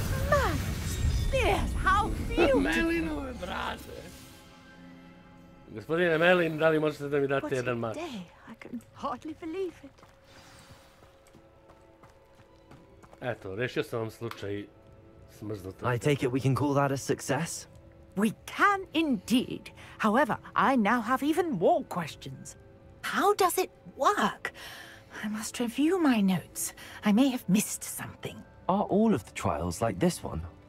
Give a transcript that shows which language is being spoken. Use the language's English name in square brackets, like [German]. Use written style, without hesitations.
[English] Merlin's beard! How beautiful! [Serbian] Merlinove brade! Gospodine Merlin, da li možete da mi date jedan mač? [English] What a day! I can hardly believe it. [Serbian] Eto, rešio sam vam slučaj smrznuto. [English] I take it we can call that a success? We can indeed. However, I now have even more questions. How does it work? I must review my notes. I may have missed something. Are all of the trials like this one?